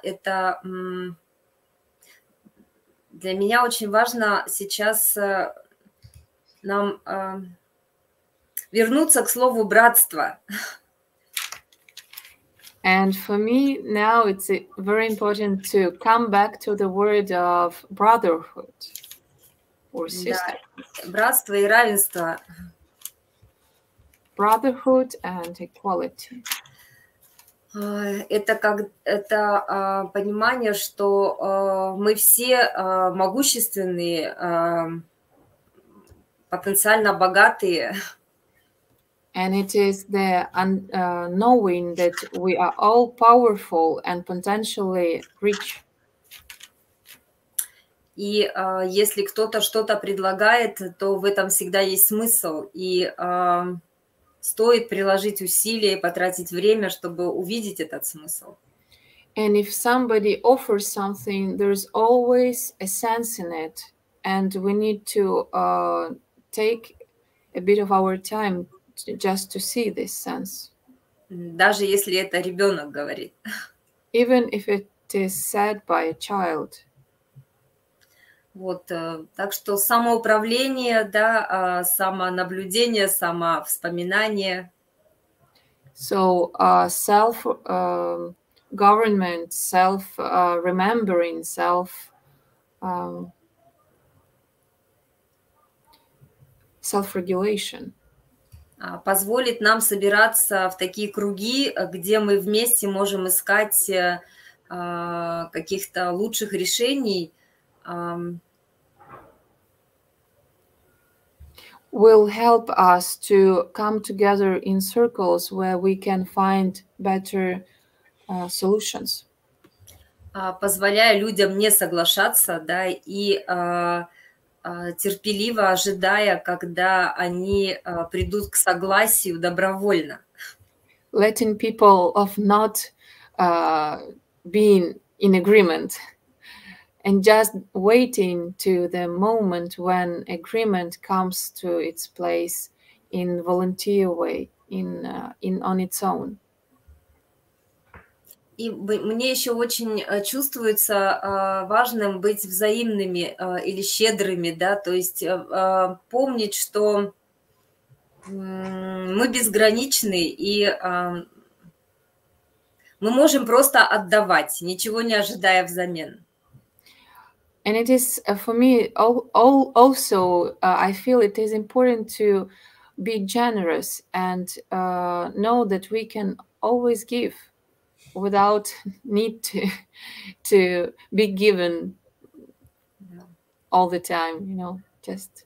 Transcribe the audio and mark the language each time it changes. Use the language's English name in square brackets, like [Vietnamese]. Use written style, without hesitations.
[Russian] Это для меня очень важно сейчас нам вернуться к слову братство. [English] And for me now it's very important to come back to the word of brotherhood or sister. [Russian] Да, братство и равенство. [English] Brotherhood and equality. [Russian] Это понимание, что мы все могущественные, потенциально богатые. [English] And it is the knowing that we are all powerful and potentially rich. [Russian] И если кто-то что-то предлагает, то в этом всегда есть смысл. И стоит приложить усилия и потратить время, чтобы увидеть этот смысл. [English] And if somebody offers something, there's always a sense in it, and we need to take a bit of our time just to see this sense. [Russian] Даже если это ребенок говорит. [English] even if it is said by a child. [Russian] Вот, так что самоуправление, да, самонаблюдение, самовспоминание. [English] So self government, self remembering, self self-regulation. [Russian] Позволит нам собираться в такие круги, где мы вместе можем искать каких-то лучших решений. [English] Will help us to come together in circles where we can find better solutions. [Russian] Позволяя людям не соглашаться, да, и терпеливо ожидая, когда они придут к согласию добровольно. [English] Letting people of not being in agreement and just waiting to the moment when agreement comes to its place in volunteer way, in on its own. [Russian] И мне еще очень чувствуется важным быть взаимными или щедрыми, да, то есть помнить, что мы безграничны, и мы можем просто отдавать, ничего не ожидая взамен. [English] And it is for me also, I feel it is important to be generous and know that we can always give without need to be given all the time, you know, just.